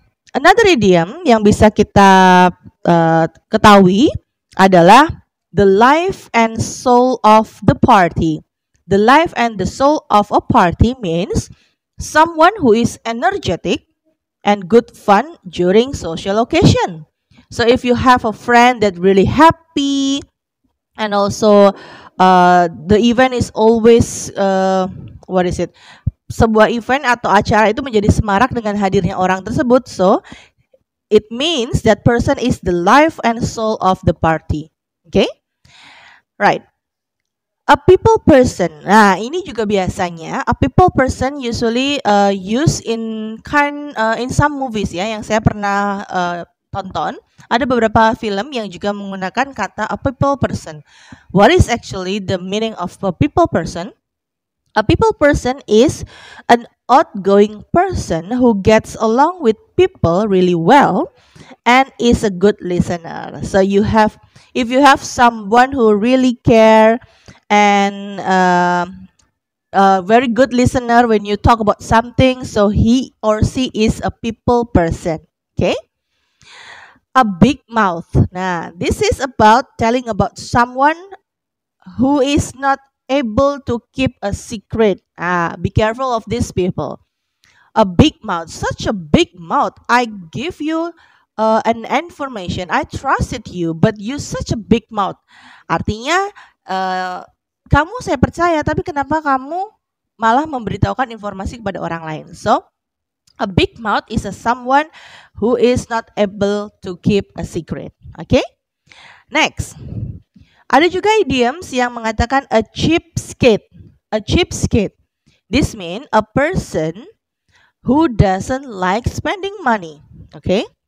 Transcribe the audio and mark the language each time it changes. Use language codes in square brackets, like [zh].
[en] Another idiom [id] yang bisa kita ketahui adalah [en] the life and soul of the party. The life and the soul of a party means someone who is energetic and good fun during social occasion. So if you have a friend that really happy and also the event is always what is it? [id] Sebuah event atau acara itu menjadi semarak dengan hadirnya orang tersebut. [en] So it means that person is the life and soul of the party. Okay? Right, a people person. [id] Nah, ini juga biasanya [en] a people person usually use in kind in some movies ya [id] yang saya pernah tonton. Ada beberapa film yang juga menggunakan kata a people person. [en] What is actually the meaning of a people person? A people person is an outgoing person who gets along with people really well and is a good listener. So you have if you have someone who really care and a very good listener when you talk about something, so he or she is a people person, okay? A big mouth. Nah, this is about telling about someone who is not able to keep a secret. Ah, be careful of these people. A big mouth. Such a big mouth. I give you an information, I trusted you, but you such a big mouth. [id] Artinya, kamu saya percaya, tapi kenapa kamu malah memberitahukan informasi kepada orang lain? [en] So, a big mouth is a someone who is not able to keep a secret. Okay? [id] Next, ada juga idioms yang mengatakan a cheapskate. [en] A cheapskate. This mean a person who doesn't like spending money. Okay?